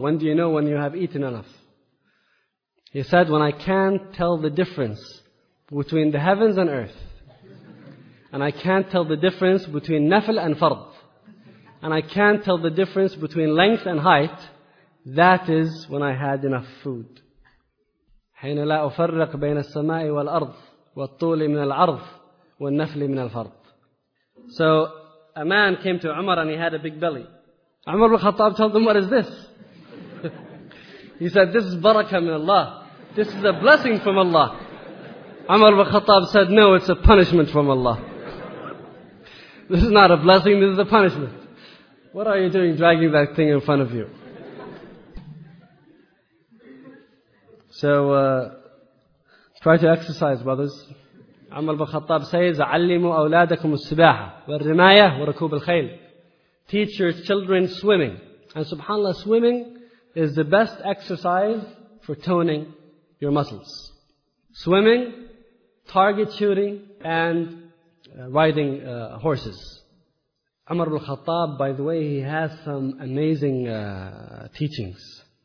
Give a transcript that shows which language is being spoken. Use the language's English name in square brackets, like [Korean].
[English] When do you know when you have eaten enough? He said, when I can't tell the difference between the heavens and earth, and I can't tell the difference between nafil and fard, and I can't tell the difference between length and height, that is when I had enough food. [Arabic] حين لا أفرق بين السماء والأرض والطول من العرض والنفل من الفرض. [English] So a man came to Umar and he had a big belly. Umar bin Khattab told him, what is this? He said, this is barakah from Allah. This is a blessing from Allah. Umar bin Khattab said, no, it's a punishment from Allah. This is not a blessing, this is a punishment. What are you doing dragging that thing in front of you? So, try to exercise, brothers. [Arabic] Umar ibn Khattab [English] says, [Arabic] عَلِّمُوا أَوْلَادَكُمْ السِّبَاحَةِ وَالرِّمَايَةِ وَرَكُوبِ الْخَيْلِ. [English] Teach your children swimming. And subhanAllah, swimming is the best exercise for toning your muscles. Swimming, target shooting, and riding horses. Umar ibn Khattab, by the way, he has some amazing teachings.